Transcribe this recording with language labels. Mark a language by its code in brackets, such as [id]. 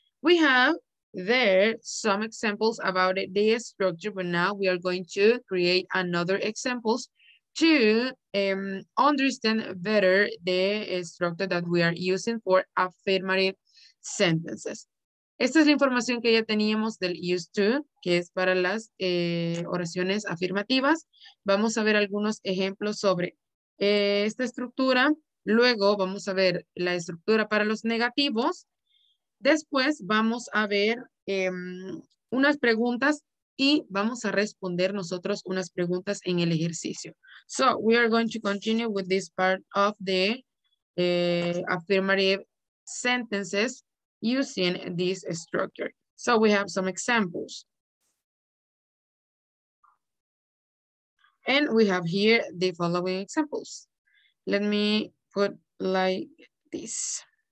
[en] We have there some examples about the structure, but now we are going to create another examples to understand better the structure that we are using for affirmative sentences. [es] Esta es la información que ya teníamos del used to, que es para las oraciones afirmativas. Vamos a ver algunos ejemplos sobre esta estructura. Luego vamos a ver la estructura para los negativos. Después vamos a ver unas preguntas y vamos a responder nosotros unas preguntas en el ejercicio. [en] So we are going to continue with this part of the affirmative sentences using this structure. So we have some examples. And we have here the following examples. Let me put like this.